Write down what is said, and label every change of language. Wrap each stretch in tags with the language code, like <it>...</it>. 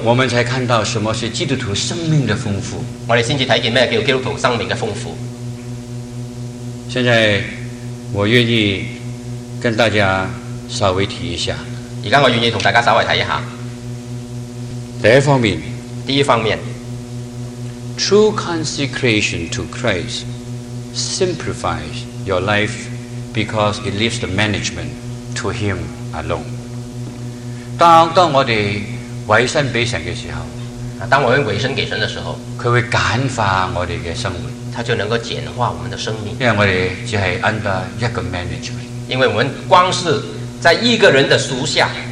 <zh>我们才看到什么是基督徒生命的丰富，我们先去看见什么叫基督徒生命的丰富。现在我愿意跟大家稍微提一下，现在我愿意跟大家稍微提一下。第一方面，第一方面，</zh> <en>True consecration to Christ simplifies your life because it leaves the management to Him alone.</en> <zh>当我们委身给神的时候，当我们委身给神的时候，他会简化我们的生活，他就能够简化我们的生命，因为我们只是</zh> <en>under</en> <zh>一个</zh> <en>management，</en> <zh>因为我们光是在一个人的属下。</zh>